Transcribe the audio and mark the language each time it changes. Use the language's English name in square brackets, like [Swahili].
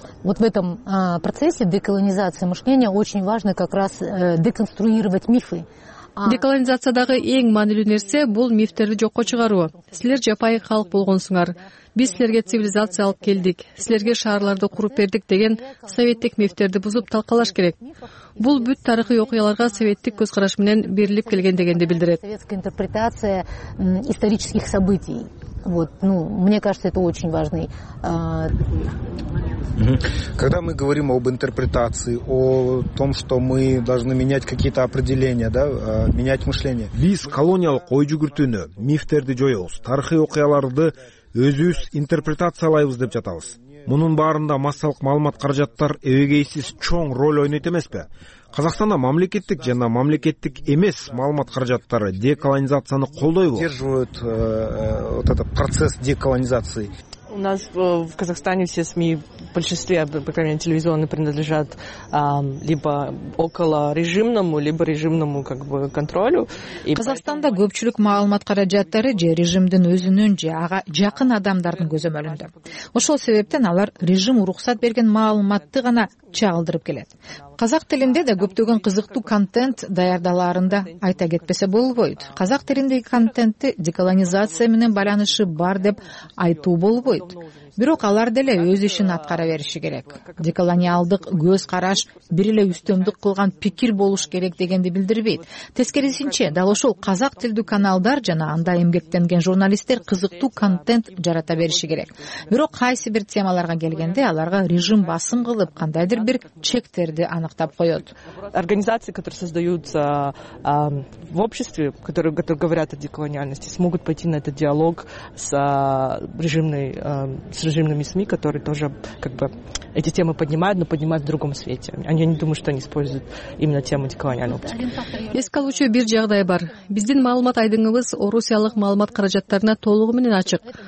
[Russian] Вот в этом процессе деколонизации мышления очень важно как раз деконструировать мифы. [Kyrgyz] Деколонизациядагы эң маанилүү нерсе бул мифтерди жокко чыгаруу. Силер жапайы калк болгонсуңар. Биз силерге цивилизация алып келдик, силерге шаарларды куруп бердик деген советтик мифтерди бузуп талкалаш керек. Бул бүт тарыхый окуяларга советтик көз караш менен берилип келген дегенди билдирет. [Russian] Советская интерпретация исторических событий. Вот, ну, мне кажется, это очень важный Когда мы говорим об интерпретации, о том, что мы должны менять какие-то определения, да, менять мышление. [Kyrgyz] Биз колониялык ой жүгүртүүнү, мифтерди жоюбуз, тарыхый окуяларды өзүбүз интерпретациялайбыз деп жатабыз. Мунун баарында массалык маалымат каражаттар эбегейсиз чоң роль ойнойт эмеспи? Казахстанда мамлекеттик жана мамлекеттик эмес маалымат каражаттары деколонизацияны колдойбу? [Russian] Поддерживают вот этот процесс деколонизации. У нас в Казахстане все СМИ, в большинстве, по крайней мере, телевизионные принадлежат либо около режимному, либо режимному как бы контролю. [Kyrgyz] И Казахстанда көпчүлүк маалымат каражаттары же режимдин өзүнүн же ага жакын адамдардын көзөмөлүндө. Ошол себептен алар режим уруксат берген маалыматты гана чагылдырып келет. Казак тилинде да көптөгөн кызыктуу контент даярдаларында айта кетпесе болбойт. Казак тилиндеги контентти деколонизация менен байланышы бар деп айтуу болбойт. Бирок алар деле өз ишин аткара бериши керек. Деколониалдык көз караш бир эле үстөмдүк кылган пикир болуш керек дегенди билдирбейт. Тескерисинче, дал ошол казак тилдүү каналдар жана анда эмгектенген журналисттер кызыктуу контент жарата бериши керек. Бирок кайсы бир темаларга келгенде аларга режим басым кылып, кандайдыр бир чектерди анықтап қойот. [Russian] Организации, которые создаются в обществе, которые говорят о деколониальности, смогут пойти на этот диалог с режимными СМИ, которые тоже как бы эти темы поднимают, но поднимают в другом свете. Они не думают, что они используют именно тему деколониальности. [Kyrgyz] Еске алу үчүн бир жагдай бар. Биздин маалымат айдыңыбыз орусиялык маалымат каражаттарына толугу менен ачык.